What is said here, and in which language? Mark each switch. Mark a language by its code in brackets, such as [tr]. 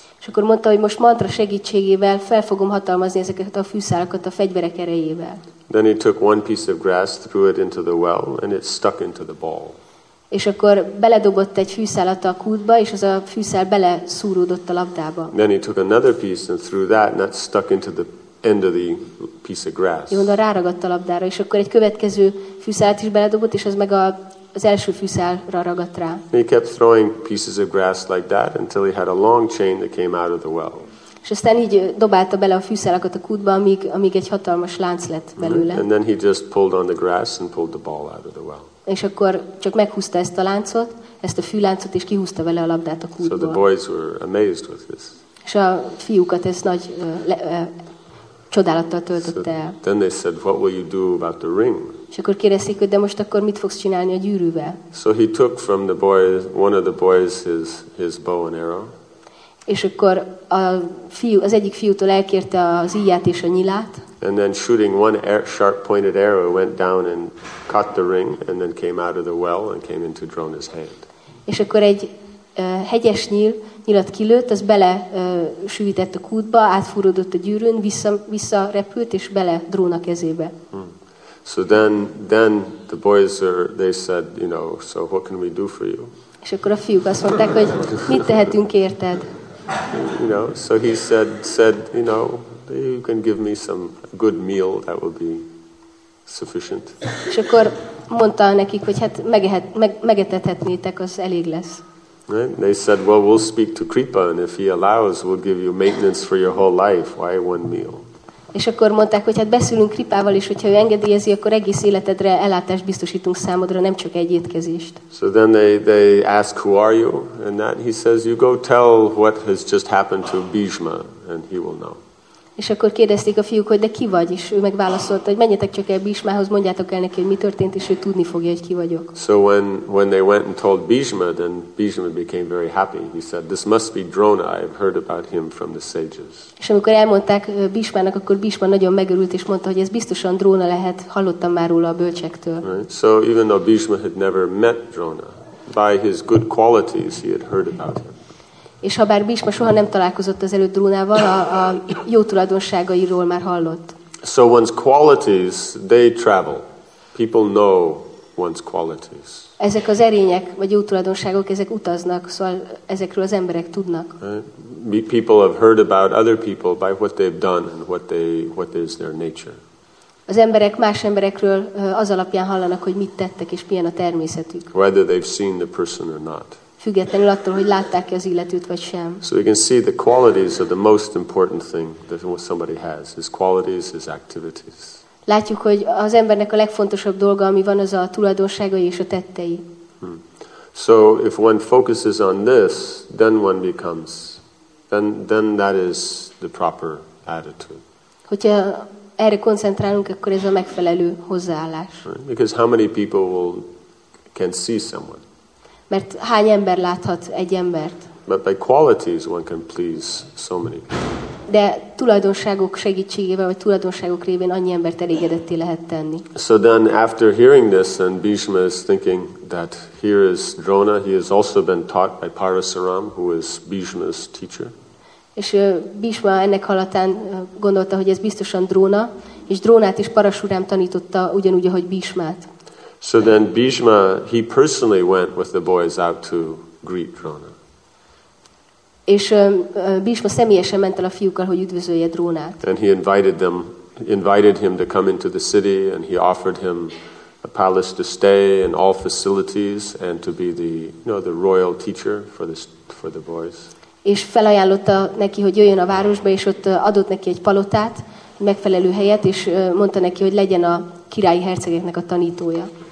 [hu] És akkor mondta, hogy most mantra segítségével fel fogom hatalmazni ezeket a fűszálakat a fegyverek erejével. [en] Then he took one piece of grass, threw it into the well, and it stuck into the ball. [hu] És akkor beledobott egy fűszálat a kútba, és az a fűszál bele szúródott a labdába. [en] Then he took another piece and threw that, and that stuck into the end of the piece of grass. [hu] Jó, ráragadt a labdára, és akkor egy következő fűszálat is beledobott, és az meg az első fűszálra ragadt rá. [en] He kept throwing pieces of grass like that until he had a long chain that came out of the well. [hu] És aztán így dobálta bele a fűszálakat a kútba, amíg egy hatalmas lánc lett belőle. [en] And then he just pulled on the grass and pulled the ball out of the well. [hu] És akkor csak meghúzta ezt a láncot, ezt a fűláncot, és kihúzta vele a labdát a kútból. [en] So the boys were amazed with this. [hu] És a fiúkat ez nagy csodálattal töltötte el. [en] So then they said, what will you do about the ring? [hu] És akkor kérdezték, hogy de most akkor mit fogsz csinálni a gyűrűvel? [en] So he took from the boy, one of the boys, his bow and arrow. [hu] És akkor az egyik fiútól elkérte az íját és a nyilát. [en] And then shooting one sharp pointed arrow went down and caught the ring and then came out of the well and came into Drona's hand. [hu] És akkor egy hegyes nyilat kilőtt, az bele sűvített a kútba, átfúródott a gyűrűn, vissza repült és bele drón a kezébe. [en] So then the boys are, they said, you know, so what can we do for you? [hu] És akkor a fiúk azt mondták, hogy mit tehetünk érted? [en] You know, so he said, you know, you can give me some good meal, that will be sufficient. [hu] És akkor mondta nekik, hogy hát megetethetnétek, az elég lesz. [en] Right? They said, well, we'll speak to Kripa, and if he allows, we'll give you maintenance for your whole life. Why one meal? [hu] És akkor mondták, hogy hát beszélünk Kripával is, hogyha ő engedélyezi, akkor egész életedre ellátást biztosítunk számodra, nem csak egy étkezést. [en] So then they ask, who are you? And that he says, you go tell what has just happened to Bhishma, and he will know. [hu] És akkor kérdezték a fiúk, hogy de ki vagy, és ő megválaszolta, hogy menjetek csak el Bhishmához, mondjátok el neki, hogy mi történt, és ő tudni fogja, hogy ki vagyok. [en] So when they went and told Bhishma, then Bhishma became very happy. He said, this must be Drona, I've heard about him from the sages. [hu] És amikor elmondták Bhishmának, akkor Bhishma nagyon megörült, és mondta, hogy ez biztosan Drona lehet, hallottam már róla a bölcsektől. [en] Right? So even though Bhishma had never met Drona, by his good qualities he had heard about him. [hu] És habár Bhishma soha nem találkozott az előtt Drónával, a jó tulajdonságairól már hallott. [en] So one's qualities, they travel. People know one's qualities. [hu] Ezek az erények, vagy jó tulajdonságok, ezek utaznak, szóval ezekről az emberek tudnak. [en] People have heard about other people by what they've done and what is their nature. [hu] Az emberek más emberekről az alapján hallanak, hogy mit tettek és milyen a természetük. [en] Whether they've seen the person or not. [hu] Függetlenül attól, hogy látták-e az illetőt vagy sem. [en] So we can see the qualities are the most important thing that somebody has. His qualities, his activities. [hu] Látjuk, hogy az embernek a legfontosabb dolga, ami van, az a tulajdonságai és a tettei. [en] So if one focuses on this, then one becomes, then that is the proper attitude. [hu] Hogyha erre koncentrálunk, akkor ez a megfelelő hozzáállás. [en] Right? Because how many people can see someone? [hu] Mert hány ember láthat egy embert? [en] But by qualities one can please so many. [hu] De tulajdonságok segítségével vagy tulajdonságok révén annyi embert elégedetté lehet tenni. [en] So then after hearing this, then Bhishma is thinking that here is Drona. He has also been taught by Parasaram, who is Bhishma's teacher. [hu] És Bhishma ennek hallatán gondolta, hogy ez biztosan Drona, és Drónát is Parasuram tanította ugyanúgy, ahogy Bhishmát. [en] So then Bhishma, he personally went with the boys out to greet Drona. [hu] És Bhishma személyesen ment el a fiúkkal, hogy üdvözölje Drónát. [en] And he invited him to come into the city, and he offered him a palace to stay and all facilities and to be the, you know, the royal teacher for the boys. [hu] És felajánlotta neki, hogy jöjjön a városba, és ott adott neki egy palotát, egy megfelelő helyet, és mondta neki, hogy legyen a királyi hercegeknek a tanítója.